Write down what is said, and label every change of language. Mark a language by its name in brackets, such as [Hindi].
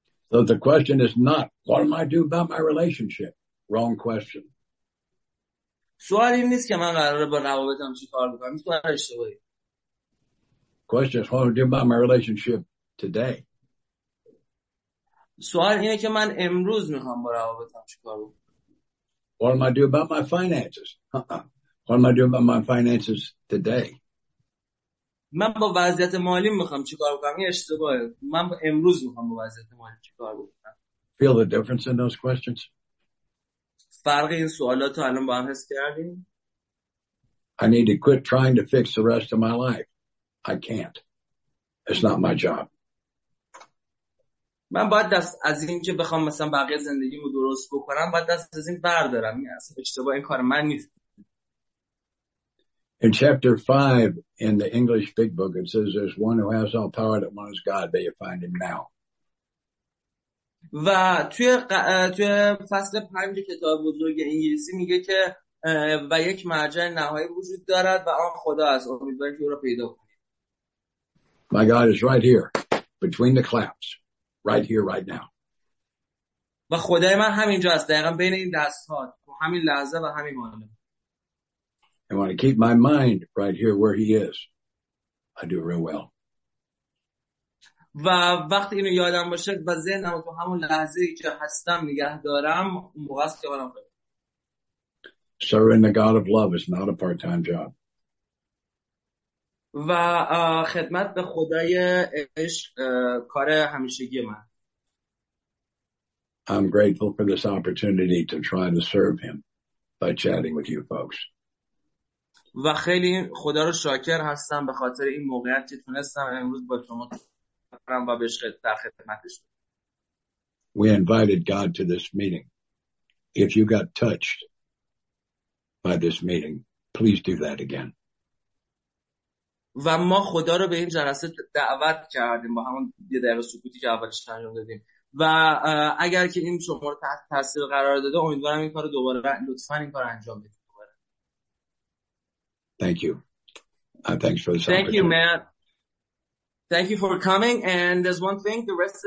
[English] So the question is not, what am I doing about my relationship? Wrong question. [Persian] سوال این نیست که من قراره با روابطم چی کار بکنم. این سوال اشتباهی. [English] Question is, what am I doing about my relationship today? [Persian] سوال اینه که من امروز میخوام با روابطم چی کار بکنم. [English] What am I doing about my finances? What am I doing about my finances today? [Persian] من با وضعیت مالی میخوام چیکار کنم؟ این اشتباهه. من امروز میخوام با وضعیت مالی چیکار کنم؟ [English] Feel the difference in those questions? [Persian] فرق این سوالات رو الان با هم حس کردیم؟ [English] I need to quit trying to fix the rest of my life. I can't. It's not my job. [Persian] من باید دست از این که بخوام مثلا بقیه زندگیمو درست بکنم، باید دست از این بردارم. این اصلا اشتباه این کار من نیست. [English] In chapter 5 in the English Big Book, it says there's one who has all power that one is God. May you find him now. [Persian] و توی فصل 5 کتاب بزرگ انگلیسی میگه که و یک مرجع نهایی وجود دارد و آن خدا است. امیدوارم که او را پیدا کنید. [English] My God is right here, between the claps, right here, right now. [Persian] و خدای من همین جاست. دقیقاً بین این دست‌ها، تو همین لحظه و همین آن. [English] I want to keep my mind right here where he is. I do real well. [Persian] و وقتی اینو یادم باشه و ذهنم تو همون لحظه‌ای که هستم نگه دارم، اون موقع است که برام خوبه. [English] Serving the God of love is not a part-time job. [Persian] و خدمت به خدای عشق کار همیشگی من. [English] I'm grateful for this opportunity to try to serve him by chatting with you folks. [Persian] و خیلی خدا رو شاکر هستم به خاطر این موقعیت که تونستم امروز با شما برم و بهش در خدمتش. [English] We invited God to this meeting. If you got touched by this meeting, please do that again. [Persian] و ما خدا رو به این جلسه دعوت کردیم با همون یه دقیقه سکوتی که اولش انجام دادیم و اگر که این شما رو تحت تاثیر قرار داده، امیدوارم این کار رو دوباره لطفاً این کار انجام بدید. [English] Thank you. Thanks for this opportunity. Thank you, Matt. Thank you for coming. And there's one thing, the rest of the